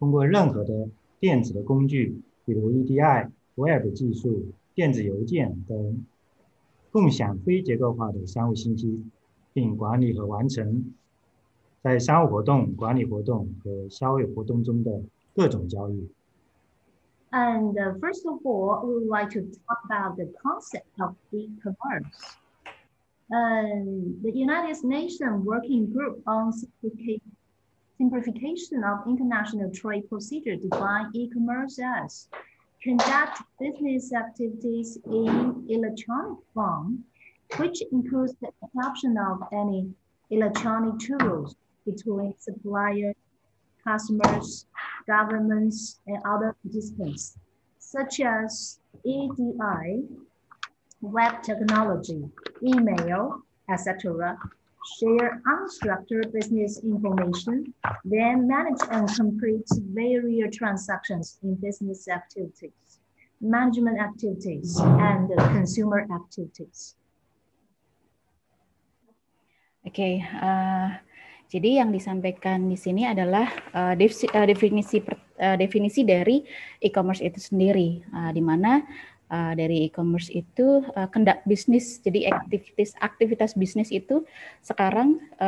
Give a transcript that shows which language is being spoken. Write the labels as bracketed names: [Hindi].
[Chinese] 根据联合国的国际贸易程序简化工作组对电子商务有这样子一个定义，就是电子商务是采用电子的形式开展商务活动，它包括在供应商、客户、政府及其他参与方之间，通过任何的电子的工具，比如 EDI、 Web 技术、电子邮件等，共享非结构化的商务信息。并管理和完成在商务活动、管理活动和消费活动中的各种交易。 [English] And first of all, we would like to talk about the concept of e-commerce. The United Nations Working Group on Simplification of International Trade Procedure define e-commerce as conduct business activities in electronic form, which includes the adoption of any electronic tools between suppliers, customers, governments, and other participants, such as EDI, web technology, email, etc., share unstructured business information, then manage and complete various transactions in business activities, management activities, and consumer activities. Okay. [Indonesian] Jadi yang disampaikan di sini adalah definisi dari e-commerce itu sendiri, di mana dari e-commerce itu [English] conduct [Indonesian] bisnis, jadi aktivitas bisnis itu sekarang